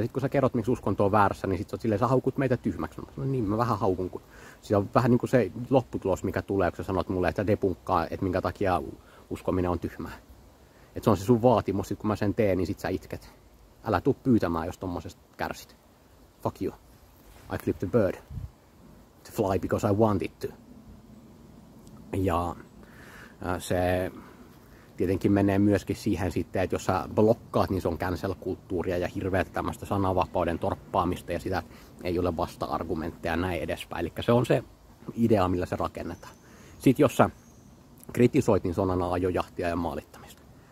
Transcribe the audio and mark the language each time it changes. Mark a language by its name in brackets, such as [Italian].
[Finnish] Sitten kun sä kerrot, miksi uskonto on väärässä, niin sit sä oot silleen, sä haukut meitä tyhmäksi. No niin, mä vähän haukun. Siinä on vähän niin kuin se lopputulos, mikä tulee, kun sä sanot mulle, että debunkkaa, että minkä takia uskominen on tyhmää. Että se on se sun vaatimus, sit kun mä sen teen, niin sit sä itket. Älä tuu pyytämään, jos tommosesta kärsit. [English] Fuck you. I flipped the bird to fly because I want it to. [Finnish] Ja se tietenkin menee myöskin siihen sitten, että jos sä blokkaat, niin se on cancel-kulttuuria ja hirveet tämmöistä sananvapauden torppaamista ja sitä ei ole vasta-argumentteja näin edespäin. Eli se on se idea, millä se rakennetaan. Sitten jos sä kritisoit, niin se on aina ajojahtia ja maalittamista.